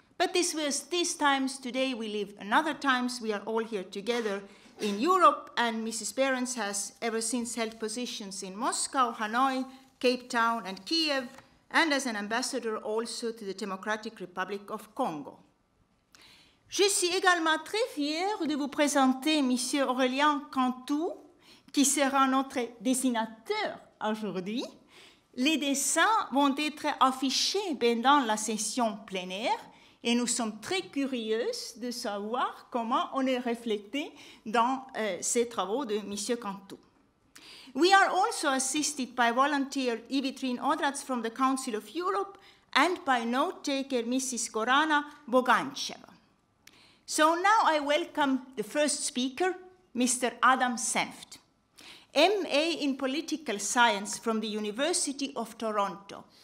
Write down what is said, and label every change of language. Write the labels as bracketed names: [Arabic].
[English] But this was these times. Today we live another times. We are all here together in Europe, and Mrs. Behrens has ever since held positions in Moscow, Hanoi, Cape Town, and Kiev, and as an ambassador also to the Democratic Republic of Congo. [French] Je suis également très fière de vous présenter Monsieur Aurélien Cantou, qui sera notre dessinateur aujourd'hui. Les dessins vont être affichés pendant la session plénière, et nous sommes très curieuses de savoir comment on est reflété dans ces travaux de M. Cantou. [English] We are also assisted by volunteer Yvitrine Odrats from the Council of Europe and by note-taker Mrs. Gorana Boganceva. So now I welcome the first speaker, Mr. Adam Senft, MA in Political Science from the University of Toronto.